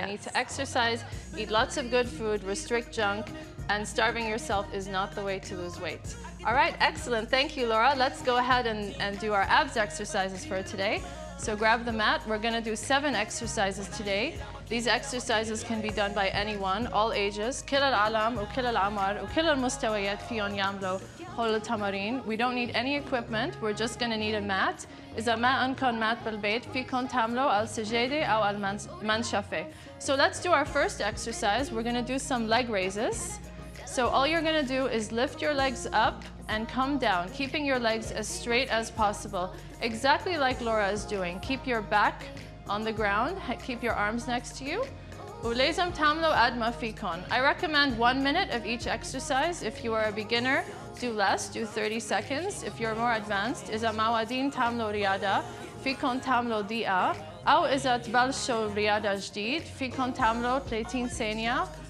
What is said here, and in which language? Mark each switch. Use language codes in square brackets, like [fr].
[en] You need to exercise, eat lots of good food, restrict junk, and starving yourself is not the way to lose weight. All right, excellent. Thank you, Laura. Let's go ahead and do our abs exercises for today. So grab the mat. We're going to do 7 exercises today. These exercises can be done by anyone, all ages. [ar] كل العالم وكل العمر وكل المستويات فيهم يعملوا هول التمارين. [en] We don't need any equipment. We're just going to need a mat. [ar] إذا ما عندكم mat بالبيت فيكم تعملوا على السجادة أو على المنشفة. [en] So let's do our first exercise. We're going to do some leg raises. So all you're going to do is lift your legs up and come down, keeping your legs as straight as possible, exactly like Laura is doing. Keep your back on the ground, keep your arms next to you. [ar] ولازم تعملوا قد ما فيكم. [en] I recommend 1 minute of each exercise. If you are a beginner, do less, do 30 seconds. If you're more advanced, [ar] إذا ما ودين تعملوا رياضة, فيكم تعملوا دقيقة. أو إذا تبلشوا رياضة جديد, فيكم تعملوا 30 ثانية.